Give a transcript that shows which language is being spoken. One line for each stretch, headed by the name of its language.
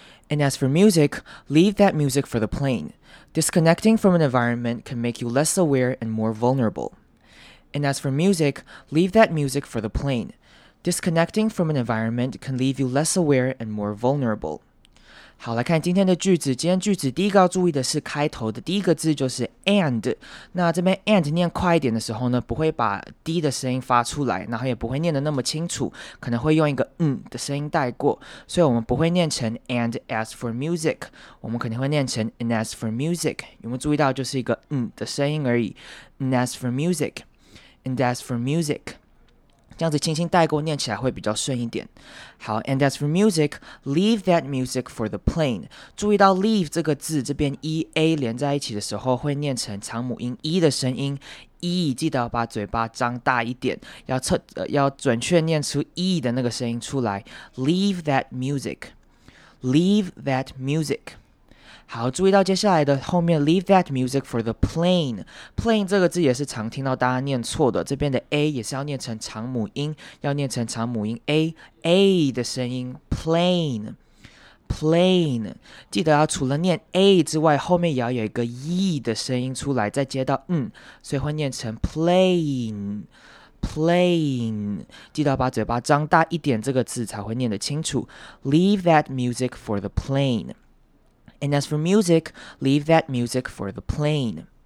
English: And as for music, leave that music for the plane. Disconnecting from an environment can make you less aware and more vulnerable. And as for music, leave that music for the plane. Disconnecting from an environment can leave you less aware and more vulnerable.
Chinese: 好，来看今天的句子。今天句子第一个要注意的是开头的第一个字就是 and。那这边 and 念快一点的时候呢，不会把 d 的声音发出来，然后也不会念得那么清楚，可能会用一个嗯的声音带过，所以我们不会念成
English: and as for music，
Chinese: 我们可能会念成 and as for music。有没有注意到就是一个嗯的声音而已 ？
English: and as for music， and as for music。
Chinese: 这样子轻轻带过，念起来会比较顺一点。好
English: ，and as for music, leave that music for the plane。
Chinese: 注意到 leave 这个字，这边 e a 连在一起的时候，会念成长母音 e 的声音。 e 记得要把嘴巴张大一点，要准确念出 e 的那个声音出来。
English: Leave that music, leave that music。
Chinese: 好，注意到接下来的后面
English: leave that music for the plane。
Chinese: plane 这个字也是常听到大家念错的，这边的 a 也是要念成长母音，要念成长母音 a 的声音
English: plane plane。
Chinese: 记得要除了念 a 之外，后面也要有一个 e 的声音出来，再接到嗯，所以会念成
English: plane plane。
Chinese: 记得要把嘴巴张大一点，这个字才会念得清楚。
English: leave that music for the plane。 And as for music, leave that music for the plane.